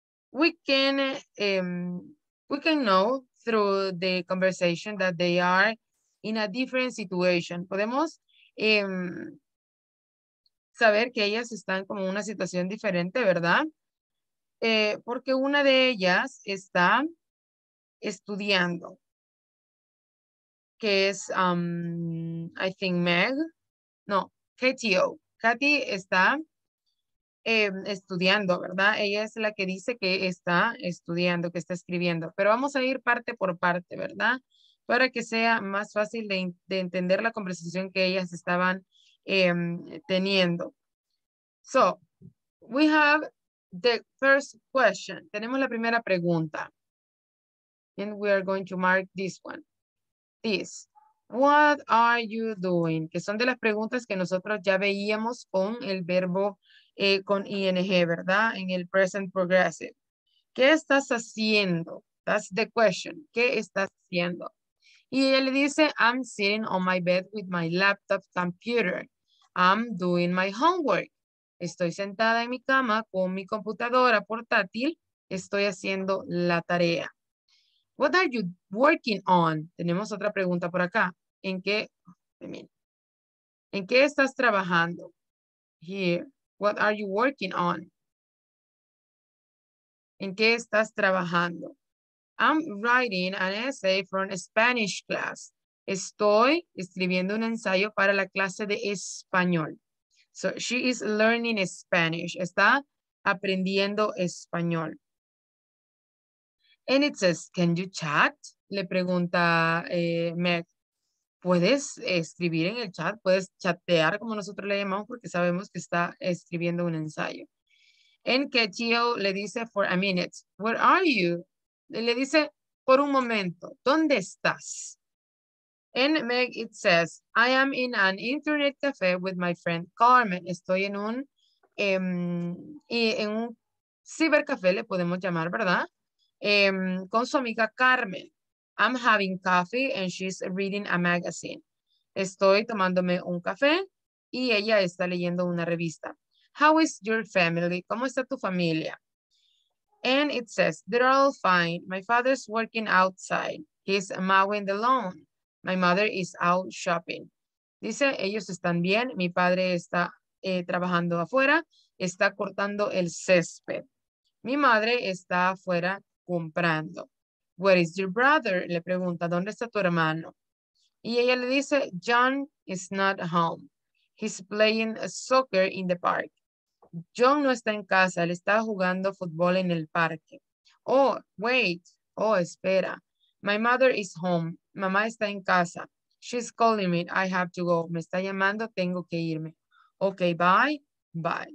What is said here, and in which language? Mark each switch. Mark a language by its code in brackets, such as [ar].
[en] We can know through the conversation that they are in a different situation. [es] Podemos saber que ellas están como en una situación diferente, ¿verdad? Porque una de ellas está estudiando, que es, [en] I think, [es] Meg. No, Katie. Katie está estudiando, ¿verdad? Ella es la que dice que está estudiando, que está escribiendo. Pero vamos a ir parte por parte, ¿verdad? Para que sea más fácil de entender la conversación que ellas estaban teniendo. [en] So, we have the first question. [es] Tenemos la primera pregunta. [en] And we are going to mark this one. This. What are you doing? [es] Que son de las preguntas que nosotros ya veíamos con el verbo con ing, ¿verdad? En el present progressive. ¿Qué estás haciendo? [en] That's the question. [es] ¿Qué estás haciendo? Y ella le dice, [en] I'm sitting on my bed with my laptop computer. I'm doing my homework. [es] Estoy sentada en mi cama con mi computadora portátil. Estoy haciendo la tarea. [en] What are you working on? [es] Tenemos otra pregunta por acá. ¿En qué estás trabajando? [en] Here, what are you working on? [es] ¿En qué estás trabajando? [en] I'm writing an essay for a Spanish class. [es] Estoy escribiendo un ensayo para la clase de español. [en] So she is learning Spanish. [es] Está aprendiendo español. [en] And it says, can you chat? [es] Le pregunta Meg. ¿Puedes escribir en el chat? ¿Puedes chatear como nosotros le llamamos? Porque sabemos que está escribiendo un ensayo. [en] And Ketio [es] le dice, [en] for a minute, where are you? [es] Le dice, por un momento, ¿dónde estás? [en] And Meg, it says, I am in an internet cafe with my friend Carmen. [es] Estoy en un cibercafé, le podemos llamar, ¿verdad? Con su amiga Carmen. [en] I'm having coffee and she's reading a magazine. [es] Estoy tomándome un café y ella está leyendo una revista. [en] How is your family? [es] ¿Cómo está tu familia? [en] And it says, they're all fine. My father's working outside. He's mowing the lawn. My mother is out shopping. [es] Dice, ellos están bien. Mi padre está trabajando afuera. Está cortando el césped. Mi madre está afuera comprando. [en] Where is your brother? [es] Le pregunta, ¿dónde está tu hermano? Y ella le dice, [en] John is not home. He's playing soccer in the park. [es] John no está en casa, él está jugando fútbol en el parque. [en] Oh, wait. [es] Oh, espera. [en] My mother is home. [es] Mamá está en casa. [en] She's calling me. I have to go. [es] Me está llamando, tengo que irme. [en] Ok, bye. Bye.